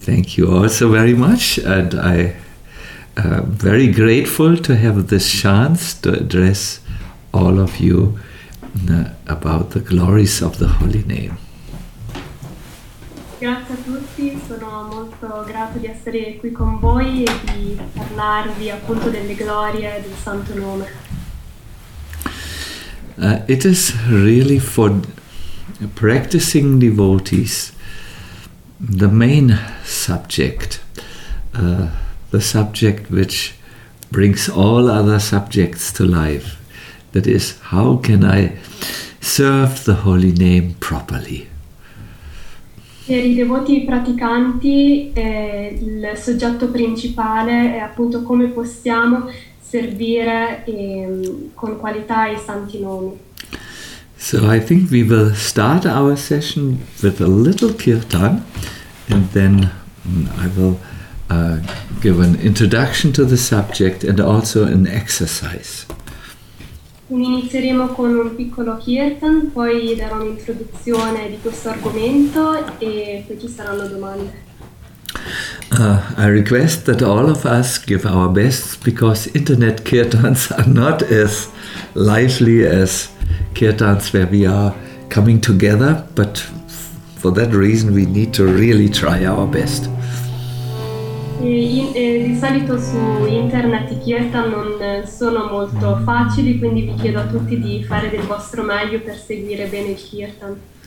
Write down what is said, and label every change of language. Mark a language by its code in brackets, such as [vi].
[en] thank you also very much, and I am very grateful to have this chance to address all of you about the glories of the Holy Name. [it] Grazie a tutti, sono molto grato di essere qui con voi e di parlarvi appunto delle glorie del Santo Nome. [en] It is really for practicing devotees the main subject, the subject which brings all other subjects to life. That is, how can I serve the Holy Name properly? [it] Per i devoti praticanti, il soggetto principale è appunto come possiamo servire con qualità i santi nomi. [en] So I think we will start our session with a little kirtan, and then I will give an introduction to the subject and also an exercise. [it] Inizieremo con un piccolo kirtan, poi darò un'introduzione di questo argomento e poi ci saranno domande. [en] I request that all of us give our best because internet kirtans are not as lively as kirtans where we are coming together, but for that reason we need to really try our best. [it] Di solito su internet i kirtan non sono molto facili, quindi vi chiedo a tutti di fare del vostro meglio per seguire bene il kirtan.